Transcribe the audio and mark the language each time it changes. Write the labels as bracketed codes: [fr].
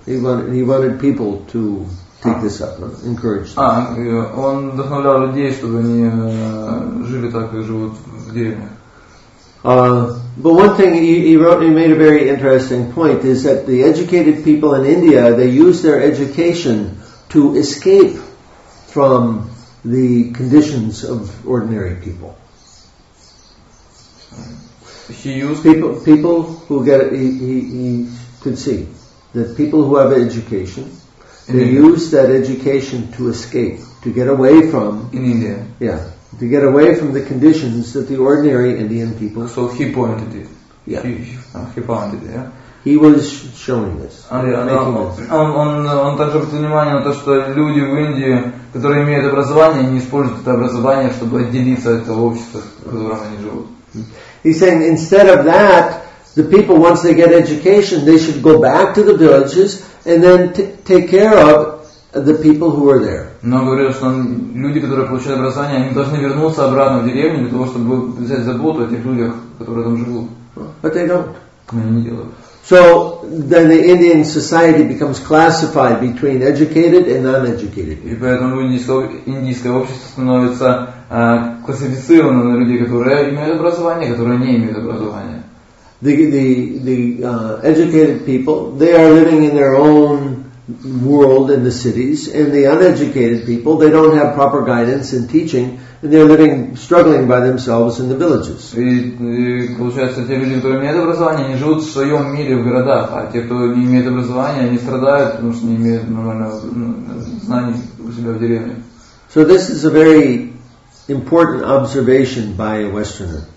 [en] He wanted people to take this up, encourage them. [ru] Он вдохновлял людей, чтобы они жили так, как живут в деревне. [en] But one thing he made a very interesting point is that the educated people in India, they use their education to escape from the conditions of ordinary people. People who get he could see that people who have education, use that education to escape, to get away from. In India. Yeah, to get away from the conditions that the ordinary Indian people. So he pointed it. Yeah. He pointed it. Yeah. He was showing this. [ru] Он также обратил внимание на то, что люди в Индии, которые имеют образование, не используют это образование, чтобы отделиться от того общества, в котором они живут. [en] He's saying instead of that, the people, once they get education, they should go back to the villages and then take care of the people who are there. [ru] Но говорил, что люди, которые получают образование, они должны вернуться обратно в деревню для того, чтобы взять заботу о тех людях, которые там живут. [en] But they don't. [ru] Они не делают. [en] So then the Indian society becomes classified between educated and uneducated. [ru] И поэтому индийское общество становится классифицировано на людей, которые имеют образование, которые не имеют образования. [en] The educated people, they are living in their own world in the cities, and the uneducated people, they don't have proper guidance and teaching, they're living, struggling by themselves in the villages. [ru] Получается, те люди, которые имеют образование, они живут в своем мире в городах, а те, кто не имеет образования, они страдают, потому что не имеют нормального знаний у себя в деревне. [en] So this is a very important observation by a Westerner.